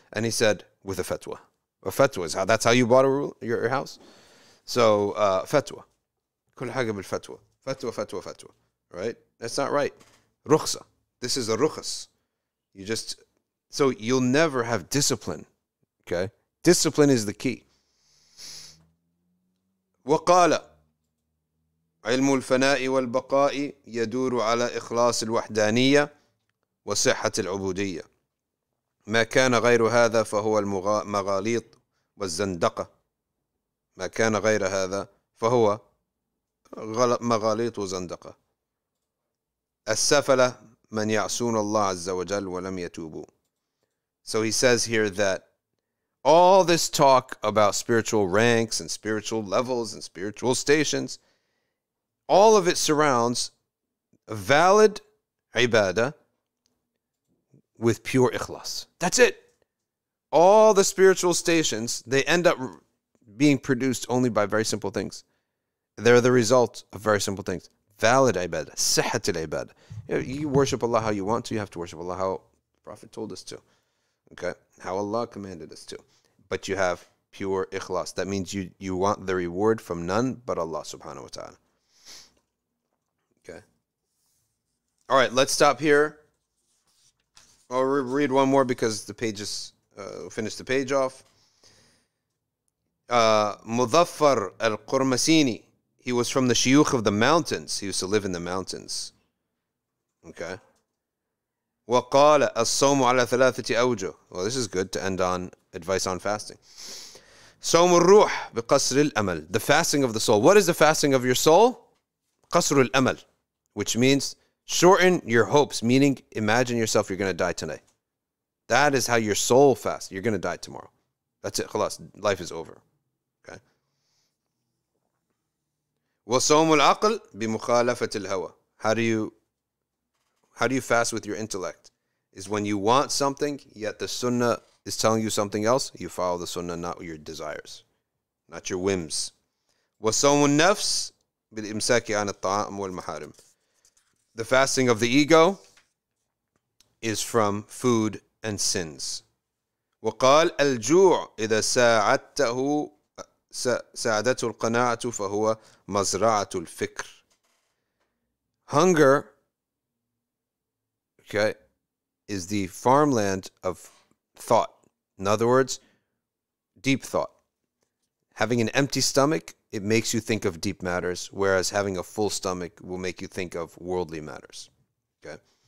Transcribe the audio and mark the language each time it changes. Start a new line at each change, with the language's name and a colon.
English: And he said, with a fatwa. A fatwa is how, that's how you bought your house? So, fatwa.
Arabic: Kul haga bil fatwa.
English: Fatwa, fatwa, fatwa. Right? That's not right. Rukhsa. This is a rukhas. So you'll never have discipline, okay? Discipline is the key.
Arabic: وقال علم الفناء والبقاء يدور على إخلاص الوحدانية وصحة العبودية ما كان غير هذا فهو المغاليط والزندقة ما كان غير هذا فهو مغاليط وزندقة السفلة من يعصون الله عز وجل ولم يتوبوا.
English: So he says here that all this talk about spiritual ranks and spiritual levels and spiritual stations, all of it surrounds a valid ibadah with pure ikhlas. That's it. All the spiritual stations, they end up being produced only by very simple things. They're the result of very simple things. Valid ibadah, sihat al-ibadah. You worship Allah how you want to, you have to worship Allah how the Prophet told us to. Okay, how Allah commanded us to. But you have pure ikhlas. That means you want the reward from none but Allah subhanahu wa ta'ala. Okay. All right, let's stop here. I'll read one more because the pages, finish the page off. Mudhafar al-Qurmasini. He was from the shiuch of the mountains. He used to live in the mountains. Okay.
Arabic: وقال الصوم على ثلاثة أوجه.
English: Well, this is good to end on advice on fasting.
Arabic: صوم الروح بقصر الأمل.
English: The fasting of the soul. What is the fasting of your soul?
Arabic: قصر الأمل,
English: which means shorten your hopes, meaning imagine yourself you're going to die tonight. That is how your soul fasts. You're going to die tomorrow. That's it. خلاص. Life is over. Okay.
Arabic: وصوم العقل بمخالفة الهوى.
English: How do you fast with your intellect? Is when you want something, yet the sunnah is telling you something else, you follow the sunnah, not your desires, not your whims.
Arabic: وَصَوْمُ النَّفْسِ بِالْإِمْسَاكِ عَنِ الطَّعَامِ وَالْمَحَارِمِ.
English: The fasting of the ego is from food and sins.
Arabic: وقال الجوع إذا ساعدته ساعدته القناعة فهو مزرعة الفكر.
English: Hunger, okay, is the farmland of thought. In other words, deep thought. Having an empty stomach, it makes you think of deep matters, whereas having a full stomach will make you think of worldly matters. Okay.